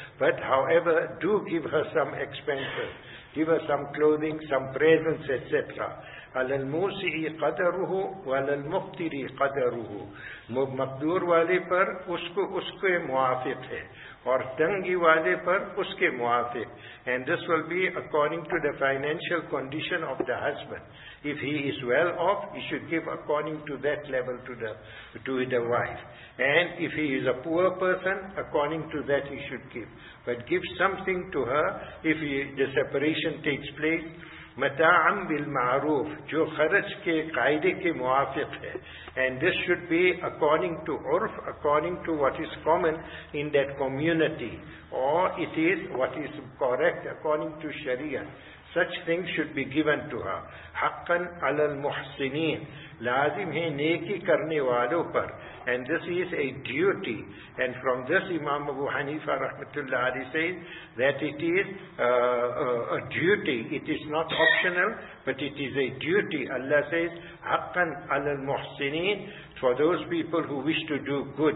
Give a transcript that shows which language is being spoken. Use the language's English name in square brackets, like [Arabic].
[English] But however, do give her some expenses. Give her some clothing, some presents, etc. [Arabic] علی الموسیعی قدرہو وعلی المقتری قدرہو, [Urdu] مقدور والے پر اس کو اس کے موافق ہے اور تنگی والے پر اس کے موافق. [English] And this will be according to the financial condition of the husband. If he is well off, he should give according to that level to the wife. And if he is a poor person, according to that he should give. But give something to her if the separation takes place. [Arabic] مَتَاعًا بِالْمَعْرُوفِ, [Urdu] جو خرج کے قائدے کے موافق ہے. [English] And this should be according to عرف, according to what is common in that community. Or it is what is correct according to Sharia. Such things should be given to her. [Arabic] حَقًّا عَلَى الْمُحْسِنِينَ, [Urdu] لازم ہے نیکی کرنے والوں پر. [English] And this is a duty. And from this Imam Abu Hanifa rahmatullah alayhi says that it is a duty. It is not optional, but it is a duty. Allah says, [Arabic] حَقًّا عَلَى الْمُحْسِنِينَ, [English] for those people who wish to do good.